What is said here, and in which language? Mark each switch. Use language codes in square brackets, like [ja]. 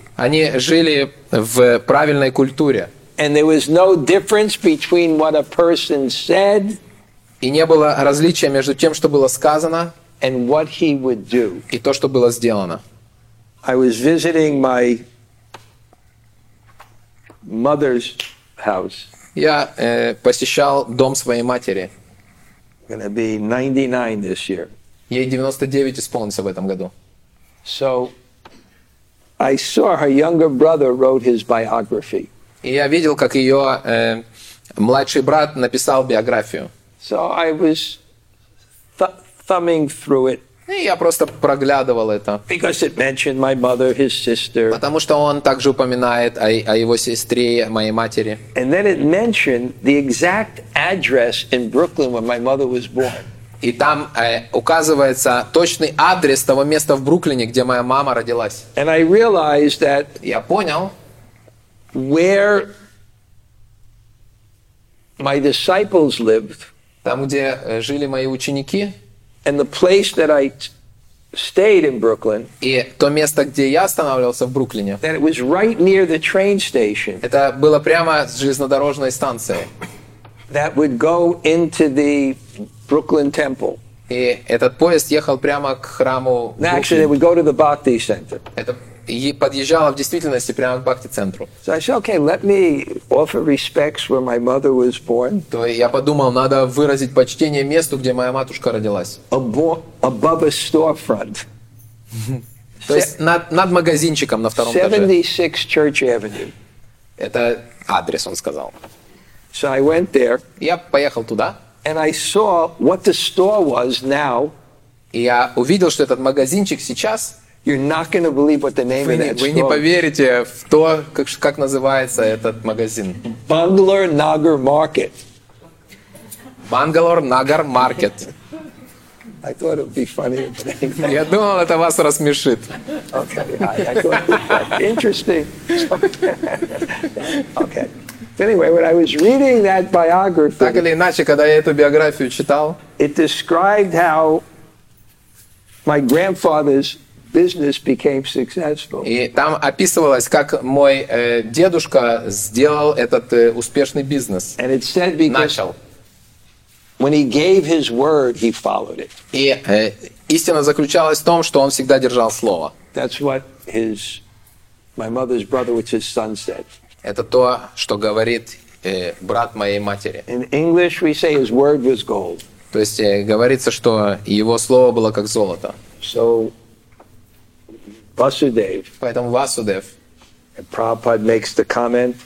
[ru] Они жили в правильной культуре. [en] And there was no difference between what a person said. [ru] И не было различия между тем, что было сказано. [en] And what he would do. [ru] И то, что было сделано. [en] I was visiting my mother's house. [ru] Я посещал дом своей матери. [en] Gonna be 99 this year. [ru] Ей 99 исполнится в этом году. [en] So I saw her younger brother wrote his biography. [ru] И я видел, как ее младший брат написал биографию. [en] So I was thumbing through it. [ru] И я просто проглядывал это. [en] Because it mentioned my mother, his sister. [ru] Потому что он также упоминает о его сестре, моей матери. [en] And then it mentioned the exact address in Brooklyn where my mother was born. [ru] И там указывается точный адрес того места в Бруклине, где моя мама родилась. [en] And I realized that. [ru] Я понял. [en] Where my disciples lived. [ru] Там, где жили мои ученики. [en] And the place that I stayed in Brooklyn. [ru] И то место, где я останавливался в Бруклине. [en] That it was right near the train station. [ru] Это было прямо с железнодорожной станцией. [en] That would go into the Brooklyn Temple. [ru] И этот поезд ехал прямо к храму. [en] Actually, it would go to the Bhakti Center. [ru] Это подъезжало в действительности прямо к Бхакти центру. [en] So I said, okay, let me offer respects where my mother was born. [ru] То я подумал, надо выразить почтение месту, где моя матушка родилась. [en] Above a storefront. [ru] То есть над магазинчиком на втором этаже. [en] 76 Church Avenue. [ru] Это адрес, он сказал. [en] So I went there. [ru] Я поехал туда. [en] And I saw what the store was now. [ru] И я увидел, что этот магазинчик сейчас. [en] You're not going to believe what the name of that store. [ru] Вы не поверите в то, как называется этот магазин. [en] Bangalore Nagar Market. Bangalore Nagar Market. I thought it would be funny. [ru] Я думал, это вас рассмешит. [en] Okay, I thought it interesting. Okay. Anyway, when I was reading that biography, [ru] так или иначе, когда я эту биографию читал, [en] it described how my grandfather's business became successful. [ru] И там описывалось, как мой дедушка сделал этот успешный бизнес. [en] And it said because [ru] начал. [en] When he gave his word, he followed it. [ru] И истина заключалась в том, что он всегда держал слово. [en] That's what his my mother's brother, which his son said. [ru] Это то, что говорит брат моей матери. [en] In English we say his word was gold. [ru] То есть говорится, что его слово было как золото. [en] So Vasudev. [ru] Поэтому Vasudev. [en] And Prabhupada makes the comment.